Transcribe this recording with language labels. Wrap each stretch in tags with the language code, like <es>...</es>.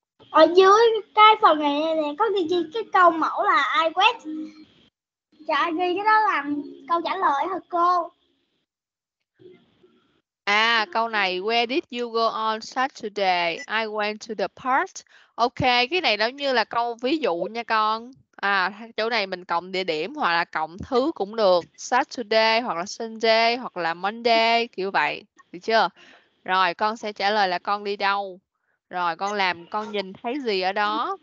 <vi>ở dưới cái phần này nè có ghi chi cái câu mẫu là I quét, trời ghi cái đó làm câu trả lời hả cô? À, câu này,</vi> <en>where did you go on Saturday? I went to the park.</en> <vi>Ok, cái này nó như là câu ví dụ nha con. À, chỗ này mình cộng địa điểm hoặc là cộng thứ cũng được. Saturday hoặc là Sunday hoặc là Monday, kiểu vậy. Được chưa? Rồi, con sẽ trả lời là con đi đâu? Rồi, con nhìn thấy gì ở đó?</vi>